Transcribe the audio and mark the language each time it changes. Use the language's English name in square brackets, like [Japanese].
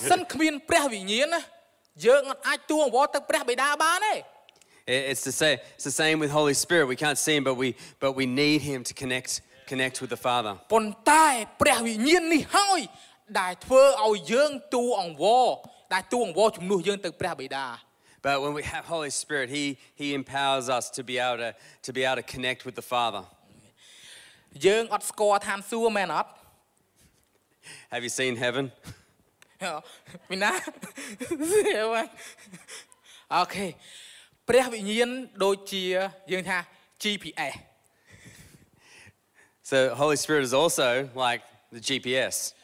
[Khmer] សិនគ្មានព្រះវិញ្ញាណយើងអត់អាចទួងវល់ទៅព្រះបិតាបានទេ [English] It's the same with Holy Spirit we can't see him but we need him to connect with the Father [Khmer] ប៉ុន្តែព្រះវិញ្ញាណនេះហើយដែលធ្វើឲ្យយើងទួងវល់ដែលទួងវល់ជំនួសយើងទៅព្រះបិតា [English] But when we have Holy Spirit he empowers us to be able to connect with the Father [Khmer] យើងអត់ស្គាល់ឋានសួគ៌មែនអត់ [English] Have you seen heaven? [Khmer] មានណាស្គាល់ហើយអូខេព្រះវិញ្ញាណដូចជាយើងថា GPS [English] So Holy Spirit is also like the GPS